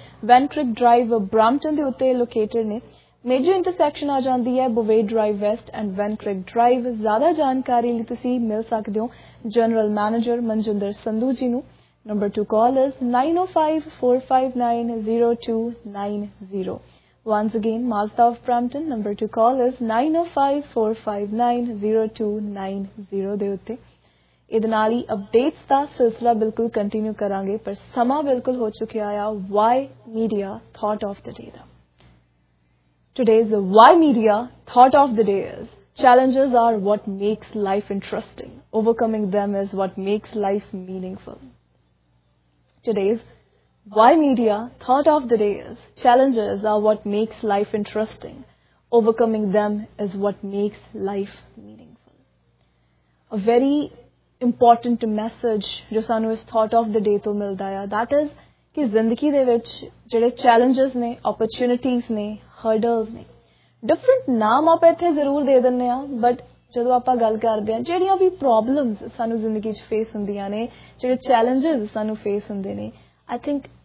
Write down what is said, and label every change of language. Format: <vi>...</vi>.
<pa>ਵੈਨਕ੍ਰਿਕ drive Brampton ਦੇ ਉੱਤੇ located ਨੇ ਮੇਜਰ ਇੰਟਰਸੈਕਸ਼ਨ ਆ ਜਾਂਦੀ ਹੈ ਬੁਵੇ ਡਰਾਈਵ ਵੈਸਟ ਐਂਡ ਵੈਨਕ੍ਰਿਕ ਡਰਾਈਵ ਜ਼ਿਆਦਾ ਜਾਣਕਾਰੀ ਲਈ ਤੁਸੀਂ ਮਿਲ ਸਕਦੇ ਹੋ ਜਨਰਲ ਮੈਨੇਜਰ ਮਨਜਿੰਦਰ ਸੰਧੂ ਜੀ ਨੂੰ</pa> <en>number to call is</en> <pa>905-459-0290</pa> <en>once again</en> <pa>Mazda of Brampton number two call is 905-459-0290 ਦੇ ਉੱਤੇ ਇਹਦੇ ਨਾਲ ਹੀ ਅਪਡੇਟਸ ਦਾ ਸਿਲਸਿਲਾ ਬਿਲਕੁਲ ਕੰਟੀਨਿਊ ਕਰਾਂਗੇ ਪਰ ਸਮਾਂ ਬਿਲਕੁਲ ਹੋ ਚੁੱਕਿਆ ਆ Y media thought of the day ਦਾ</pa> <en>Today's the Why Media Thought of the Day is, challenges are what makes life interesting. Overcoming them is what makes life meaningful. Today's Why Media Thought of the Day is, challenges are what makes life interesting. Overcoming them is what makes life meaningful. A very important message,</en> <pa>jo sanu is thought of the day to milda hai, that is, ki zindagi de vich jehde challenges ne, opportunities ne, hurdles ਨੇ different ਨਾਮ ਆਪਾਂ ਇੱਥੇ ਜ਼ਰੂਰ ਦੇ ਦਿੰਦੇ ਹਾਂ but ਜਦੋਂ ਆਪਾਂ ਗੱਲ ਕਰਦੇ ਹਾਂ ਜਿਹੜੀਆਂ ਵੀ ਪ੍ਰੋਬਲਮਸ ਸਾਨੂੰ ਜ਼ਿੰਦਗੀ 'ਚ ਫੇਸ ਹੁੰਦੀਆਂ ਨੇ ਜਿਹੜੇ ਚੈਲੇਂਜਸ ਸਾਨੂੰ ਫੇਸ ਹੁੰਦੇ ਨੇ</pa> <en>I think</en>